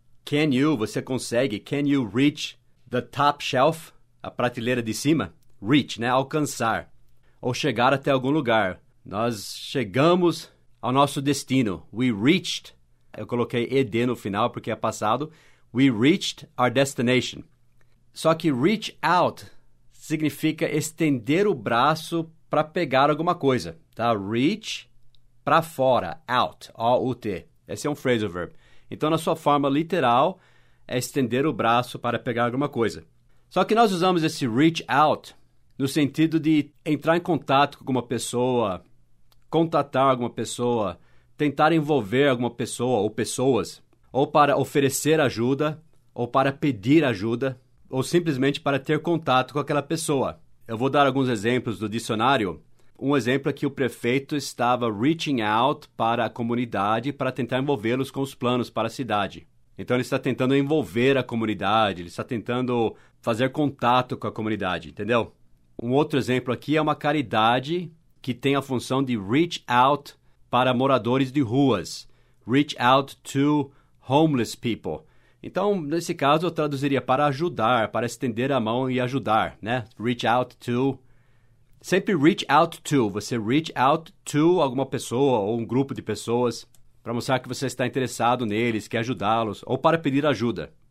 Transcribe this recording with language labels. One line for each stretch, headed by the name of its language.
English: Can you,
Portuguese: você consegue.
English: Can you reach the top shelf?
Portuguese: A prateleira de cima. Reach, né? Alcançar. Ou chegar até algum lugar. Nós chegamos ao nosso destino.
English: We reached.
Portuguese: Eu coloquei ED no final porque é passado.
English: We reached our destination.
Portuguese: Só que reach out significa estender o braço para pegar alguma coisa. Tá? Reach para fora. Out. O-U-T. Esse é um phrasal verb. Então, na sua forma literal, é estender o braço para pegar alguma coisa. Só que nós usamos esse reach out no sentido de entrar em contato com uma pessoa, contatar alguma pessoa, tentar envolver alguma pessoa ou pessoas, ou para oferecer ajuda, ou para pedir ajuda, ou simplesmente para ter contato com aquela pessoa. Eu vou dar alguns exemplos do dicionário. Um exemplo é que o prefeito estava reaching out para a comunidade para tentar envolvê-los com os planos para a cidade. Então, ele está tentando envolver a comunidade, ele está tentando fazer contato com a comunidade, entendeu? Um outro exemplo aqui é uma caridade que tem a função de reach out para moradores de ruas.
English: Reach out to homeless people.
Portuguese: Então, nesse caso, eu traduziria para ajudar, para estender a mão e ajudar, né?
English: Reach out to...
Portuguese: Sempre
English: reach out to.
Portuguese: Você reach out to alguma pessoa ou um grupo de pessoas para mostrar que você está interessado neles, quer ajudá-los ou para pedir ajuda.